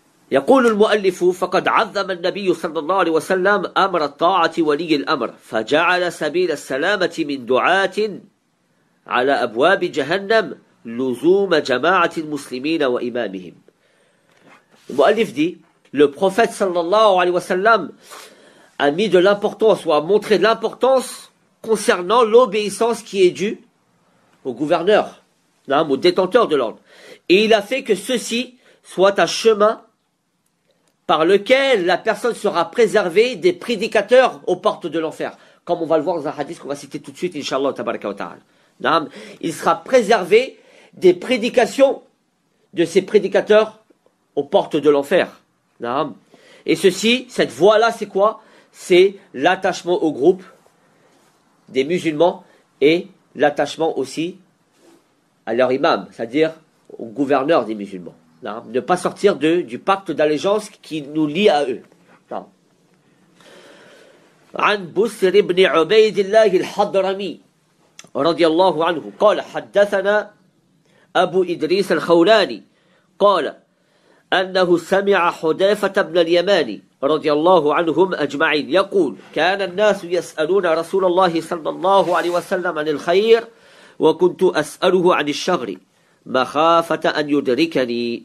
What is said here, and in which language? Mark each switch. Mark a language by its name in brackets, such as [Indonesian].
[Arabic] يقول المؤلف فقد عظم النبي صلى الله عليه وسلم أمر الطاعة ولي الأمر فجعل سبيل السلامة من دعاة على أبواب جهنم لزوم جماعة المسلمين وإمامهم. المؤلف دي [French] le prophète [Arabic] صلى الله عليه وسلم [French] a mis de l'importance ou a montré de l'importance concernant l'obéissance qui est due au gouverneur, au détenteur de l'ordre, et il a fait que ceci soit un chemin par lequel la personne sera préservée des prédicateurs aux portes de l'enfer. Comme on va le voir dans un hadith qu'on va citer tout de suite, Inch'Allah, tabaraka wa ta'ala. Il sera préservé des prédications de ces prédicateurs aux portes de l'enfer. Et ceci, cette voie-là, c'est quoi? C'est l'attachement au groupe des musulmans et l'attachement aussi à leur imam, c'est-à-dire au gouverneur des musulmans. Ne pas sortir du pacte d'allégeance qui nous lie à eux. [Arabic] عن بسر بن عبيد الله الحضرمي رضي الله عنه قال حدثنا أبو إدريس الخولاني قال أنه سمع حذيفة بن اليمان رضي الله عنهم أجمعين يقول كان الناس يسألون رسول الله صلى الله عليه وسلم عن الخير وكنت أسأله عن الشر مخافة أن يدركني.